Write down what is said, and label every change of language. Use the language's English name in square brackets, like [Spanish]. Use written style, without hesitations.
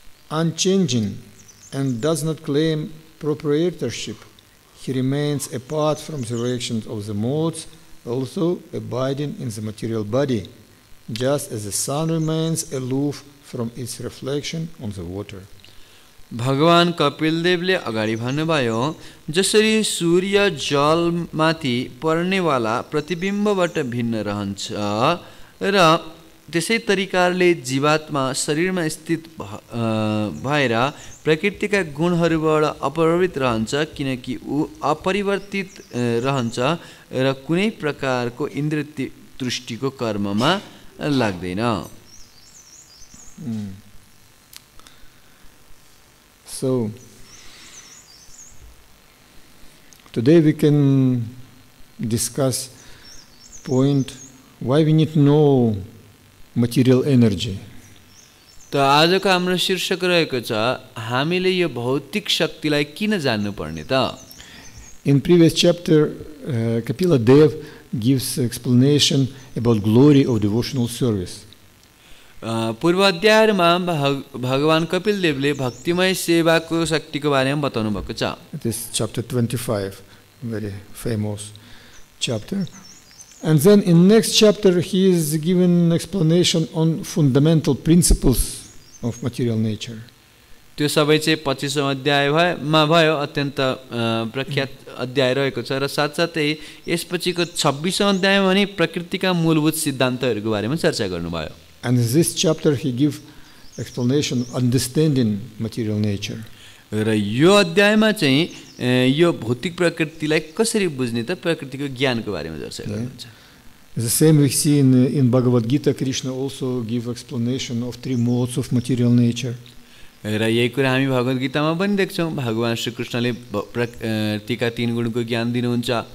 [English] unchanging and does not claim proprietorship, he remains apart from the reactions of the modes, also abiding in the material body, just as the sun remains aloof from its reflection on the water. [Nepali] Bhagavan Kapildevle agari bhannubhayo, jasari surya jal mati parne wala pratibimba vata bhinna rahancha, ra त्यसै तरिकाले जीवात्मा शरीरमा स्थित भएर प्रकृतिका गुणहरूबाट अपरिवर्तित रहन्छ किनकि ऊ अपरिवर्तित रहन्छ र कुनै प्रकारको इन्द्रिय तृष्टिको कर्ममा लाग्दैन. [English] So today we can discuss point why we need to know material energy. [Nepali] तो आज का हमरे शीर्षक रहेको छ हामीले यो भौतिक शक्तिलाई किन जान्नु पर्ने त. [English] In previous chapter, Kapila Dev gives explanation about glory of devotional service. [Nepali] पूर्वाध्यायमा भगवान कपिल देवले भक्तिमय सेवाको शक्तिको बारेमा बताउनु भएको छ. [English] This chapter 25, very famous chapter. And then in next chapter, he is given an explanation on fundamental principles of material nature. [Nepali] त्यो सबै चाहिँ 25 औं अध्याय मा भयो अत्यन्त प्रख्यात अध्याय रहेको छ र साथसाथै यसपछिको 26 औं अध्याय मा नि प्रकृतिका मूलभूत सिद्धान्तहरुको बारेमा चर्चा गर्नुभयो. [English] And in this chapter, he gives explanation understanding material nature. [Nepali] र यो अध्यायमा चाहिँ यो भौतिक प्रकृतिलाई कसरी बुझ्ने त प्रकृतिको ज्ञानको बारेमा चर्चा गर्नुहुन्छ. [English] The same we see in Bhagavad Gita, Krishna also gives explanation of three modes of material nature. [Nepali] र यही कुरा हामी भगवद् गीतामा पनि देख्छौँ. भगवान् श्री कृष्णले प्रकृतिका तीन गुणको ज्ञान दिनुहुन्छ.